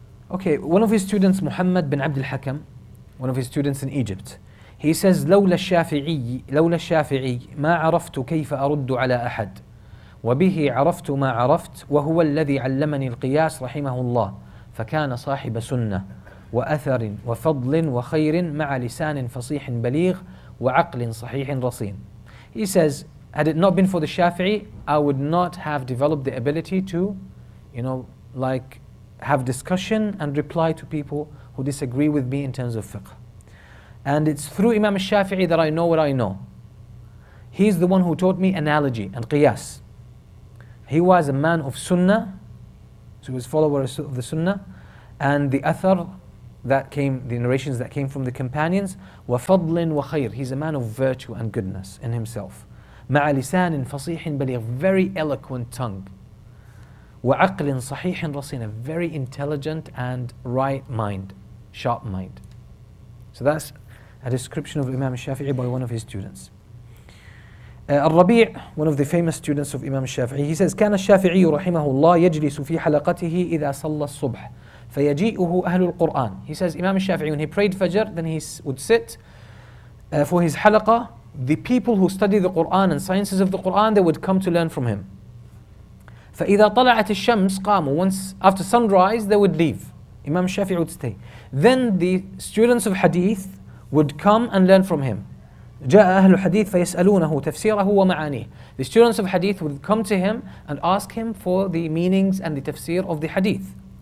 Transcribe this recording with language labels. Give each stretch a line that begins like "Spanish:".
English: Okay, one of his students, Mohamed bin Abdul Hakam, one of his students in Egypt, he says,
Arabic: لولا الشافعي ما عرفت كيف أرد على أحد وبه عرفت ما عرفت وهو الذي علمني القياس رحمه الله فكان صاحب سنة وأثر وفضل وخير مع لسان فصيح بليغ وعقل صحيح رصين.
English: He says, had it not been for the Shafi'i, I would not have developed the ability to, you know, like, have discussion and reply to people who disagree with me in terms of fiqh. And it's through Imam al-Shafi'i that I know what I know. He's the one who taught me analogy and qiyas. He was a man of sunnah, so he was a follower of the sunnah, and the athar that came, the narrations that came from the companions,
Arabic: وَفَضْلٍ وَخَيْرٍ.
English: He's a man of virtue and goodness in himself.
Arabic: مَعَ لِسَانٍ فَصِيحٍ بَلِيغٍ.
English: Very eloquent tongue.
Arabic: وَعَقْلٍ صَحِيحٍ رَصِينٍ.
English: A very intelligent and right mind, sharp mind. So that's a description of Imam al-Shafi'i by one of his students. Al-Rabi', one of the famous students of Imam al-Shafi'i, he says,
Arabic: كان الشافعي رحمه الله يجلس في حلقته إذا صلى الصبح فيجيئه أهل القرآن.
English: He says, Imam al-Shafi'i, when he prayed Fajr, then he would sit for his halaqah. The people who study the Qur'an and sciences of the Qur'an, they would come to learn from him.
Arabic: فإذا طلعت الشمس قاموا.
English: Once after sunrise, they would leave. Imam al-Shafi'i would stay. Then the students of hadith would come and learn from him.
Arabic: جاء أهل الحديث فيسألونه تفسيره ومعانيه.
English: The students of hadith would come to him and ask him for the meanings and the tafsir of the hadith.